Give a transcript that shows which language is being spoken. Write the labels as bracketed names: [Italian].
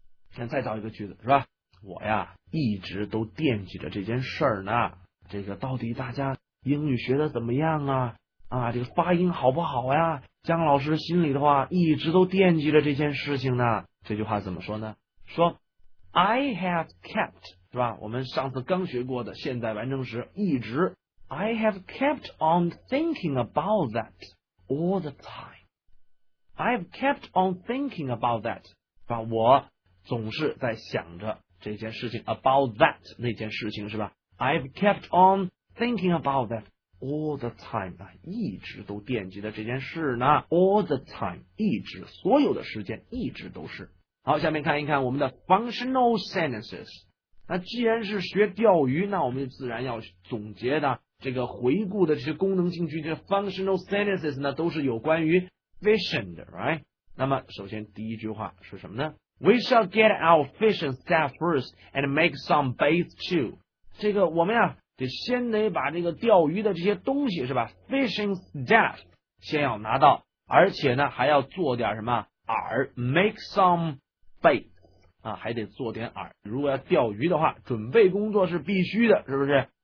[Chinese] 先再造一个句子是吧，我呀一直都惦记着这件事儿呢，这个到底大家英语学的怎么样啊，啊，这个发音好不好呀，江老师心里的话一直都惦记着这件事情呢。这句话怎么说呢？说 [English] I have kept， [Chinese] 是吧？我们上次刚学过的现在完成时，一直。 [English] I have kept on thinking about that all the time。 I've kept on thinking about that， [Chinese] 是吧？我总是在想着这件事情 [English] ，about that [Chinese] 那件事情，是吧 [English] ？I've kept on thinking about that all the time， [Chinese] 啊，一直都惦记着这件事呢。 [English] All the time， [Chinese] 一直，所有的时间，一直都是。好，下面看一看我们的 functional sentences。那既然是学钓鱼，那我们自然要总结的这个回顾的这些功能性句，这 functional sentences 呢都是有关于 fishing 的 right？那么首先第一句话是什么呢？ [English] We shall get our fishing staff first and make some bait too。 [Chinese] 这个我们呀得先得把这个钓鱼的这些东西是吧， [English] fishing staff [Chinese] 先要拿到，而且呢还要做点什么饵， [English] make some bait [Chinese] 啊，还得做点饵。如果要钓鱼的话，准备工作是必须的，是不是？